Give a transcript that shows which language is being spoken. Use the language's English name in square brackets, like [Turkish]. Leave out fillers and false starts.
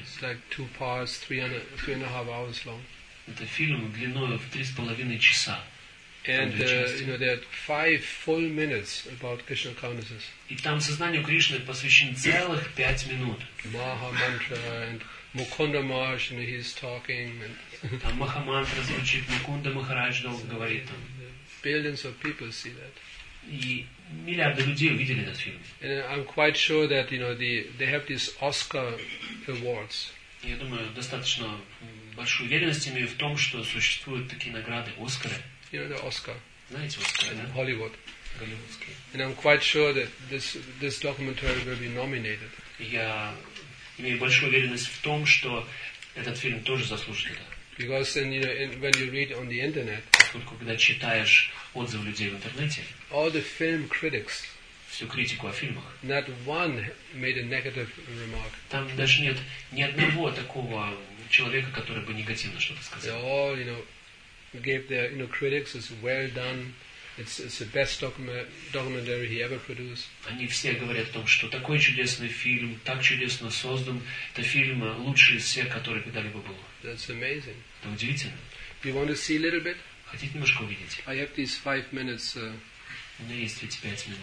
[English] It's like two parts, three and a half hours long. [Russian] Это фильм длиной в 3.5 часа. [English] And you know, there are 5 full minutes about Krishna consciousness. [Russian] И там сознанию Кришны посвящен целых 5 минут. [English] Maha mantra and Mukunda Maharaj, and he's talking. And [Russian] там Maha mantra звучит, Mukunda Maharaj долго говорит там. [English] Billions of people see that. [Russian] И миллиарды людей увидели этот фильм. [English] And I'm quite sure that you know they have these Oscar awards. [Russian] Я думаю, достаточно большую уверенность имею в том, что существуют такие награды Оскары. [English] You know the Oscar, [Russian] знаете, Оскар, [English] in [Russian] да? [English] Hollywood. [Russian] Голливудский. [English] And I'm quite sure that this documentary will be nominated. [Russian] Я имею большую уверенность в том, что этот фильм тоже заслужит это. [English] Because then, you know, when you read on the internet, [Russian] только когда читаешь отзывы людей в интернете, [English] all the film critics, [Russian] всю критику о фильмах, [English] not one made a negative remark. [Russian] Там даже нет ни одного такого человека, который бы негативно что-то сказал. [English] They all, you know, gave their, you know, critics as well done. It's the best documentary he ever produced. [Russian] Они все говорят о том, что такой чудесный фильм, так чудесно создан, это фильм лучший из всех, который когда-либо был. [English] That's amazing. [Russian] Это удивительно. [English] You want to see a little bit? [Russian] Хотите немножко увидеть? [English] I have these 5 minutes. [Russian] У меня есть 5 минут.